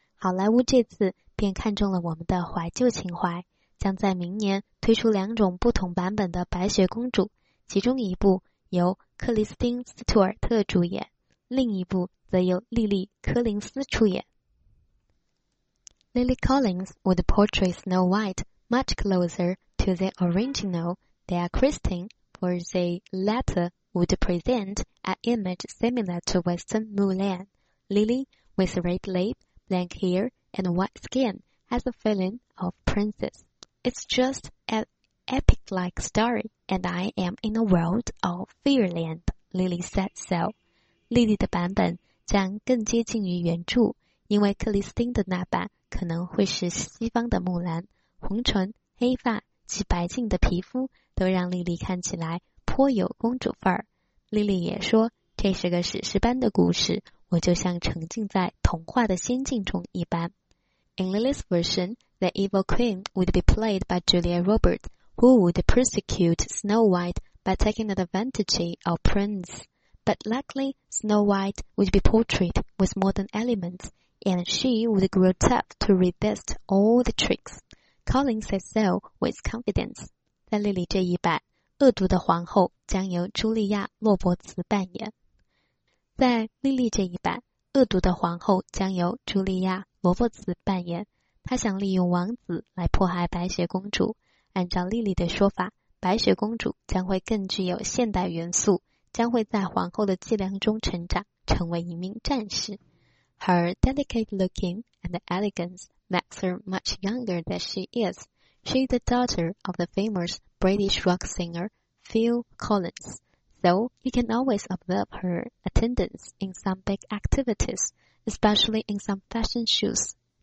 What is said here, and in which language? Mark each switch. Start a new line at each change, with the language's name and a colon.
Chinese: 好莱坞这次便看中了我们的怀旧情怀，将在明年推出两种不同版本的《白雪公主》，其中一部由克里斯汀·斯图尔特主演，另一部则由莉莉·柯林斯出演。
English: Lily Collins would portray Snow White much closer to the original than Kristen, for the latter would present an image similar to Western Mulan. Lily, with red lips, black hair, and white skin, has a feeling of princess. It's just an epic-like story, and I am in a world of fairyland, Lily said so.
Chinese: Lily 的版本将更接近于原著，因为克里斯汀的那版可能会是西方的木兰，红唇、黑发及白净的皮肤都让莉莉看起来颇有公主范儿。莉莉也说，这是个史诗般的故事，我就像沉浸在童话的仙境中一般。
English: In Lily's version, the evil queen would be played by Julia Roberts, who would persecute Snow White by taking advantage of Prince. But luckily, Snow White would be portrayed with modern elements,And she would grow tough to resist all the tricks. Collins said so with confidence.
Chinese: 在莉莉这一版，恶毒的皇后将由茱莉亚·罗伯茨扮演。在莉莉这一版，恶毒的皇后将由茱莉亚·罗伯茨扮演。她想利用王子来迫害白雪公主。按照莉莉的说法，白雪公主将会更具有现代元素，将会在皇后的伎俩中成长，成为一名战士。
English: Her delicate looking and elegance makes her much younger than she is. She is the daughter of the famous British rock singer Phil Collins, so you can always observe her attendance in some big activities, especially in some fashion shows.